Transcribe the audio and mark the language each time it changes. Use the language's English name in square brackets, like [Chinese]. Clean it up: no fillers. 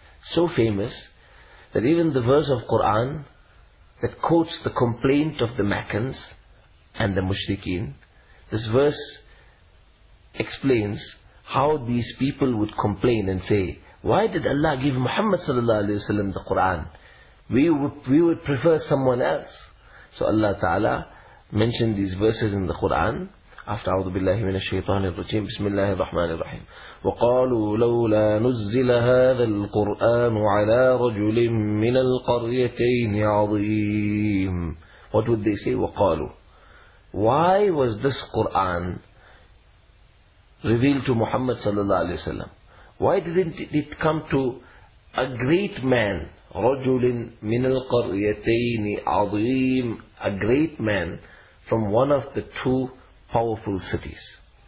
[English] So famous that even the verse of Quran that quotes the complaint of the Meccans and the Mushrikeen, this verse explains how these people would complain and say, why did Allah give Muhammad sallallahu alayhi wa sallam the Quran? We would prefer someone else. So Allah Ta'ala mentioned these verses in the Quran after [Arabic] أعوذ بالله من الشيطان الرجيم بسم الله الرحمن الرحيم وقالوا لولا نزل هذا القرآن على رجل من القريتين عظيم. [English] What would they say? [Arabic] وقالوا. [English] Why was this Quran revealed to Muhammad صلى الله عليه وسلم? Why didn't it come to a great man, [Arabic] رجل من القريتين عظيم, [English] a great man from one of the two powerful cities?